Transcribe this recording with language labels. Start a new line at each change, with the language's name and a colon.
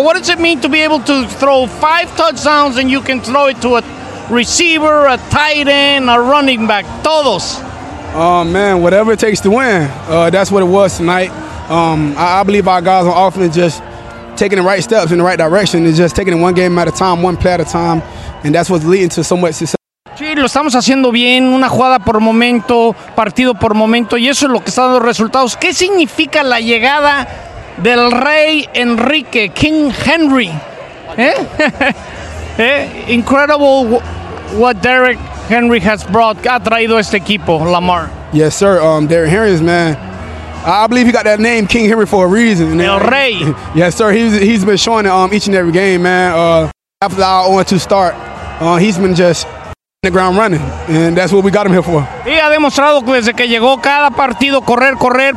English: What does it mean to be able to throw 5 touchdowns and you can throw it to a receiver, a tight end, a running back,
Spanish: todos?
English: Man, whatever it takes to win, that's what it was tonight. I believe our guys on offense just taking the right steps in the right direction and just taking it one game at a time, one play at a time, and that's what's leading to so much success.
Spanish: Sí, lo estamos haciendo bien, una jugada por momento, partido por momento, y eso es lo que está dando resultados. ¿Qué significa la llegada del rey Enrique, King Henry?
English: Incredible what Derek Henry has brought,
Spanish: ha traído este equipo,
English: Lamar. Yes, sir. Derrick Henry is, man, I believe he got that name, King Henry, for a reason.
Spanish: El Rey.
English: Yes, sir. He's been showing it each and every game, man. After our 0-2 start, he's been just in the ground running, and that's what we got him here for.
Spanish: Y ha demostrado desde que llegó cada partido correr, correr.